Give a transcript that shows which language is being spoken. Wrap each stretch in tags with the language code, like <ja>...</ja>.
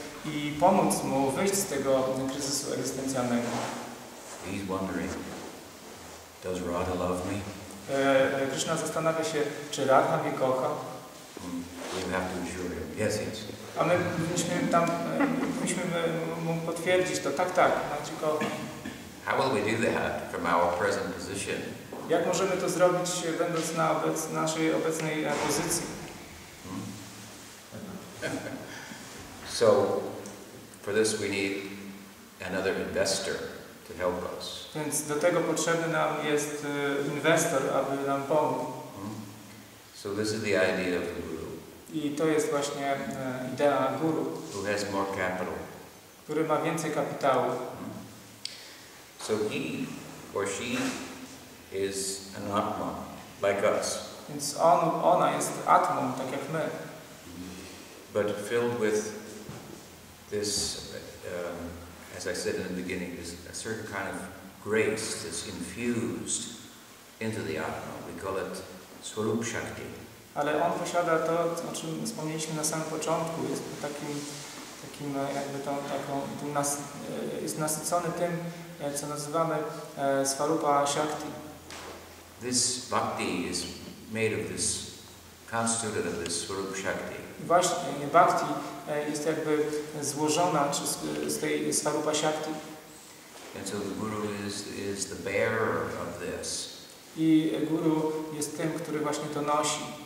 <pl>i pomóc mu wyjść z tego kryzysu egzystencjalnego.</pl> <en>He's wondering, does Radha love me?</en> <pl>Krishna zastanawia się, czy Radha mnie kocha.</pl> <en>We have to assure him. Yes, yes.</en> <pl>A my musimy tam, musimy mu potwierdzić to. Tak, tak. Tylko.</pl> <en>How will we do that from our present position?</en> <pl>Jak możemy to zrobić, będąc na naszej obecnej pozycji?</pl> <en>So, for this we need another investor to help us.</en> <pl>Więc do tego potrzebny nam jest inwestor, aby nam pomógł.</pl> <en>So this is the idea of the guru.</en> <pl>I to jest właśnie idea guru.</pl> <en>Who has more capital.</en> <pl>Który ma więcej kapitału.</pl> <en>So he or she is an atma, like us.</en> <pl>Więc ona jest atmą, tak jak my.</pl> <en>But filled with this, as I said in the beginning, is a certain kind of grace that's infused into the atma. We call it swarup shakti.</en> <pl>Ale on posiada to, o czym wspomnieliśmy na samym początku, jest takim jakby tą taką, jest nasycony tym, co nazywamy swarupa shakti.</pl> <en>This bhakti is made of this, constituted of this swarup shakti.</en> <pl>Właśnie, bhakti jest jakby złożona z tej swarupa shakti.</pl> <en>And so the guru is the bearer of this.</en> <pl>I guru jest tym, który właśnie to nosi.</pl>